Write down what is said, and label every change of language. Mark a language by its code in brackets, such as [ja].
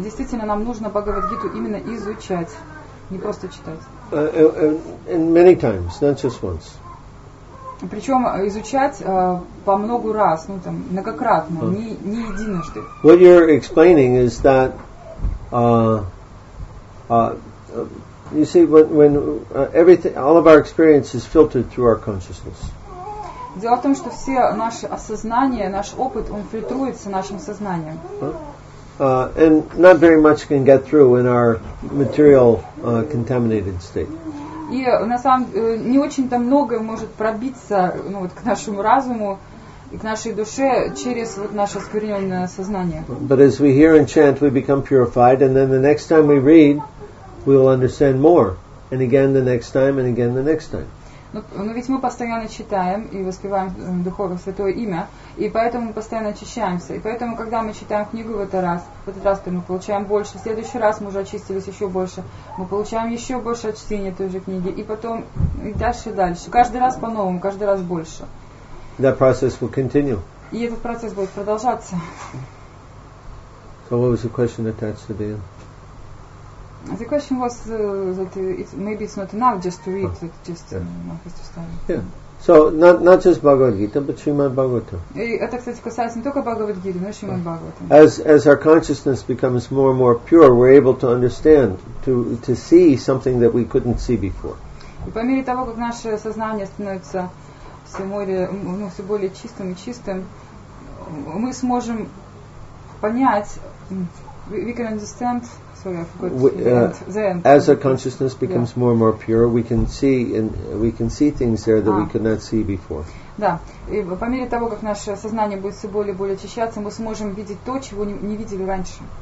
[ru] Действительно, нам нужно Бхагавад Гиту именно изучать. Не просто читать. [en] And many times, not just once. [ru] Причем изучать по много раз, ну там многократно, oh. не единожды. [en] What you're explaining is that you see when everything, all of our experience is filtered through our consciousness. [ru] Дело в том, что все наши осознания, наш опыт, он фильтруется нашим сознанием. [en] And not very much can get through in our material contaminated state. [ru] И на самом не очень-то многое может пробиться ну, вот, к нашему разуму и к нашей душе через вот наше оскверненное сознание. [en] But as we hear and chant, we become purified, and then the next time we read, we will understand more. And again the next time, and again the next time. [ru] Но ведь мы постоянно читаем и воспеваем Духовное Святое Имя, и поэтому мы постоянно очищаемся. И поэтому, когда мы читаем книгу в этот раз мы получаем больше, в следующий раз мы уже очистились еще больше, мы получаем еще больше от чтения той же книги, и потом и дальше, и дальше. Каждый раз по-новому, каждый раз больше. [en] That process will continue. [ru] И этот процесс будет продолжаться. [en] So what was the question attached to the end? The question was that maybe it's not enough just to read, it just has to study. Yeah. So not just Bhagavad Gita, but Srimad Bhagavatam. [ru] Это, кстати, касается не только Бхагавад Гиты, но и Шримад Бхагаватам. [en] As our consciousness becomes more and more pure, we're able to understand, to see something that we couldn't see before. [ru] И по мере того, как наше сознание становится все более чистым и чистым, мы сможем понять, [en] we can understand. As our consciousness becomes more and more pure, we can see things there that we could not see before. [ru] Да, и по мере того, как наше сознание будет все более и более очищаться, мы сможем видеть то, чего не видели раньше.